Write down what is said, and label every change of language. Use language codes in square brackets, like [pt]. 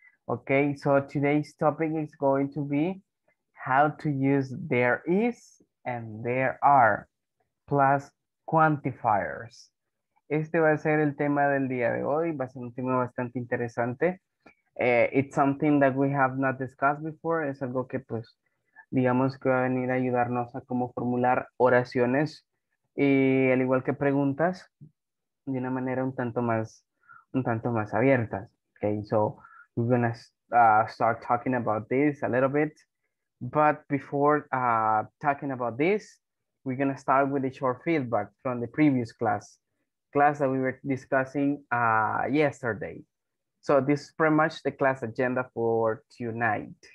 [en] Okay, so today's topic is going to be how to use there is and there are plus quantifiers. [es] Este va a ser el tema del día de hoy, va a ser un tema bastante interesante. [en] It's something that we have not discussed before. [es] Es algo que, pues, digamos que va a venir a ayudarnos a cómo formular oraciones y al igual que preguntas de una manera un tanto más abiertas. [en] Okay, so we're gonna start talking about this a little bit. But before talking about this, we're gonna start with a short feedback from the previous class that we were discussing yesterday. So this is pretty much the class agenda for tonight.